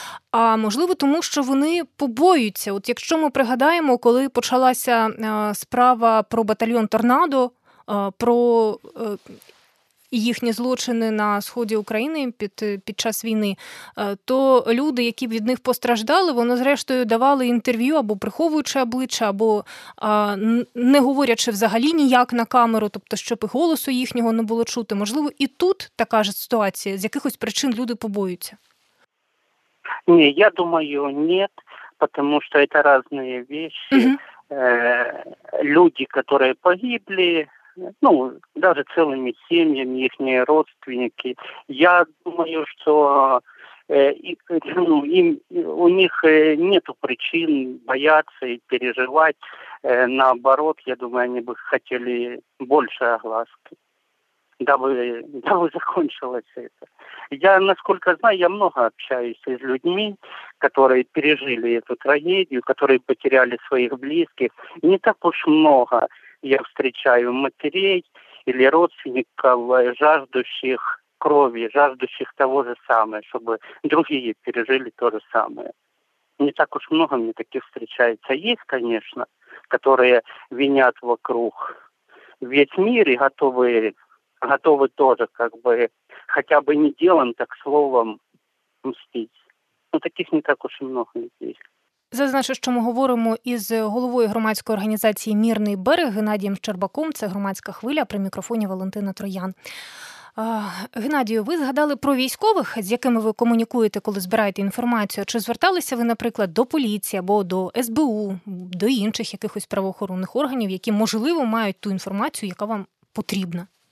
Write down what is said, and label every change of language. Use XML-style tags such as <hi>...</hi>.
<uk>А можливо, тому що вони побоюються. От якщо ми пригадаємо, коли почалася справа про батальйон «Торнадо», про їхні злочини на сході України під час війни, то люди, які від них постраждали, вони, зрештою, давали інтерв'ю або приховуючи обличчя, або не говорячи взагалі ніяк на камеру, тобто щоб і голосу їхнього не було чути. Можливо, і тут така ж ситуація, з якихось причин люди побоюються? Ні, я думаю, ні, тому що це різні речі. Люди, які</uk> <ru>погибли, даже целыми семьями, ихние родственники. Я думаю, что у них нету причин бояться и переживать. Наоборот, я думаю, они бы хотели больше огласки, дабы закончилось это. Я, насколько знаю, я много общаюсь с людьми, которые пережили эту трагедию, которые потеряли своих близких. Не так уж много. Я встречаю матерей, или родственников, жаждущих крови, жаждущих того же самого, чтобы другие пережили то же самое. Не так уж много мне таких встречается. Есть, конечно, которые винят вокруг весь мир и готовы тоже, как бы, хотя бы не делом, так словом, мстить. Но таких не так уж и много здесь.</ru> <uk>Зазначу, що ми говоримо із головою громадської організації «Мірний берег» Геннадієм Щербаком. Це громадська хвиля, при мікрофоні Валентина Троян. Геннадію, ви згадали про військових, з якими ви комунікуєте, коли збираєте інформацію. Чи зверталися ви, наприклад, до поліції або до СБУ, до інших якихось правоохоронних органів, які, можливо, мають ту інформацію, яка вам потрібна?</uk>